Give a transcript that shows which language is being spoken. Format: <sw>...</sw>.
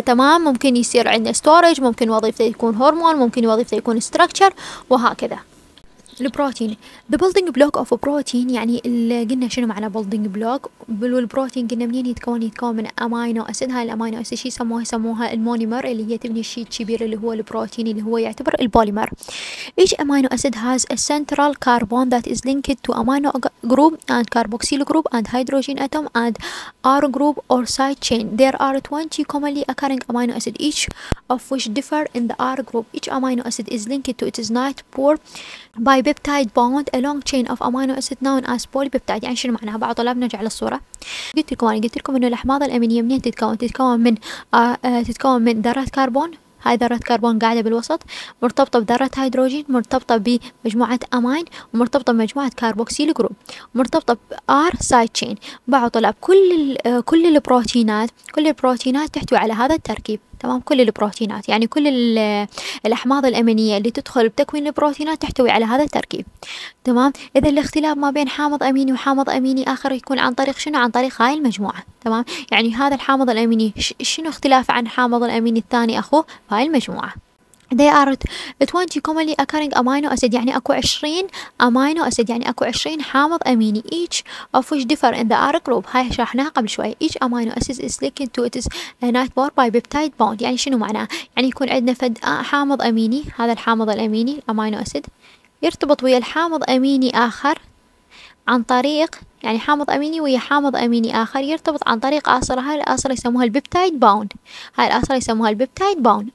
<ar>تمام، ممكن يصير عنده ستورج، ممكن وظيفته يكون هرمون، ممكن وظيفته يكون ستراكشر، وهكذا. البروتين،</ar> <en>the building block of protein،</en> <ar>يعني قلنا شنو معنى building block؟ والبروتين قلنا منين يتكون؟ يتكون من امينو اسيد. هاي الامينو اسيد شي يسموها المونيمر، اللي هي تبني الشيء الكبير اللي هو البروتين، اللي هو يعتبر البوليمر.</ar> <en>each amino acid has a central carbon that is linked to amino group and carboxyl group and hydrogen atom and R group or side chain. there are 20 commonly occurring amino acid each of which differ in the R group. each amino acid is linked to its night pore by peptide bond, a long chain of amino acid known as polypeptide.</en> <ar>يعني شنو معناها؟ بعض طلاب نرجع للصورة. قلت لكم إنه الأحماض الأمينية منين تتكون؟ تتكون من ذرات كربون، هاي ذرات كربون قاعدة بالوسط، مرتبطة بذرات هيدروجين، مرتبطة بمجموعة أمين، ومرتبطة بمجموعة كاربوكسيل جروب، مرتبطة بR side chain. بعض طلاب كل البروتينات تحتوي على هذا التركيب. تمام، كل البروتينات، يعني كل الأحماض الأمينية اللي تدخل بتكوين البروتينات تحتوي على هذا التركيب. تمام، إذا الاختلاف ما بين حامض أميني وحامض أميني آخر يكون عن طريق شنو؟ عن طريق هاي المجموعة. تمام، يعني هذا الحامض الأميني شنو اختلاف عن حامض الأميني الثاني أخوه؟ هاي المجموعة.</ar> <en>they are 20 commonly occurring amino acid،</en> <ar>يعني اكو 20 amino acid، يعني اكو 20 حامض اميني.</ar> <en>each of which differ in the R group،</en> <ar>هاي شرحناها قبل شوي.</ar> <en>each amino acid is linked to its night pore by peptide bond،</en> <ar>يعني شنو معناه؟ يعني يكون عندنا فد حامض اميني، هذا الحامض الاميني الامينو اسيد يرتبط ويا الحامض اميني اخر عن طريق، يعني حامض اميني ويا حامض اميني اخر يرتبط عن طريق اصل، هاي الاصل يسموها البيبتايد بوند، هاي الاصل يسموها البيبتايد بوند.</ar>